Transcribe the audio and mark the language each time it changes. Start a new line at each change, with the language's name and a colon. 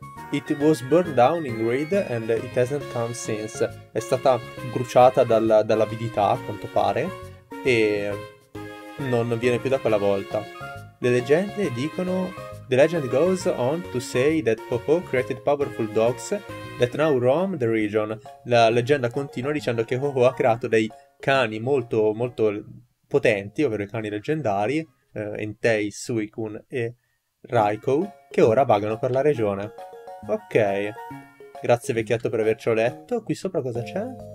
English: It was burned down in greed and it hasn't come since.
Italian: È stata bruciata dall'avidità, a quanto pare, e non viene più da quella volta. Le leggende dicono...
English: The legend goes on to say that Popo created powerful dogs that now roam the region.
Italian: La leggenda continua dicendo che Popo ha creato dei cani molto molto potenti, ovvero i cani leggendari, Entei, Suicune e Raikou, che ora vagano per la regione. Ok, grazie vecchietto per avercelo letto. Qui sopra cosa c'è?